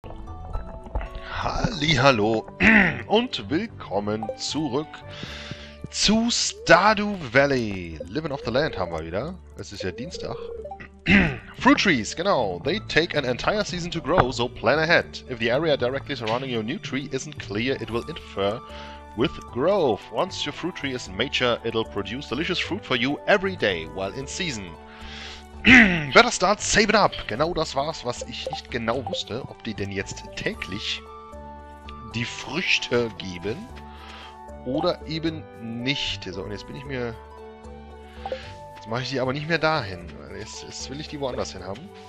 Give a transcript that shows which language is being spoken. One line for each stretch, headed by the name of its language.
German: Hallihallo und willkommen zurück zu Stardew Valley.
English: Living off the land
German: haben wir wieder. Es ist ja Dienstag.
English: Fruit trees,
German: genau.
English: They take an entire season to grow, so plan ahead. If the area directly surrounding your new tree isn't clear, it will interfere with growth. Once your fruit tree is mature, it'll produce delicious fruit for you every day while in season. Better start saving up.
German: Genau das war's, was ich nicht genau wusste, ob die denn jetzt täglich die Früchte geben oder eben nicht. So, und jetzt bin ich mir... Jetzt mache ich die aber nicht mehr dahin. Jetzt will ich die woanders hin haben.